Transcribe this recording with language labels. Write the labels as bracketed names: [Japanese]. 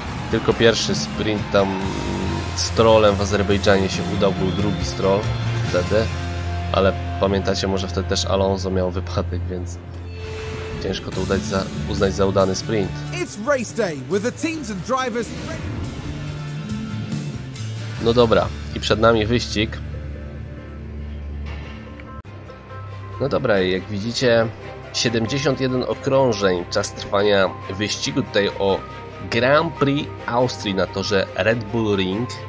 [Polish] Tylko pierwszy sprint tam z Strollem w Azerbejdżanie się udał, był drugi Stroll. wtedy, ale pamiętacie, może wtedy też Alonso miał wypadek, więc ciężko to uznać za udany sprint. [English] It's race day with the teams and drivers. [Polish] No dobra, i przed nami wyścig. No dobra, jak widzicie, 71 okrążeń czas trwania wyścigu tutaj o Grand Prix Austrii na torze Red Bull Ring.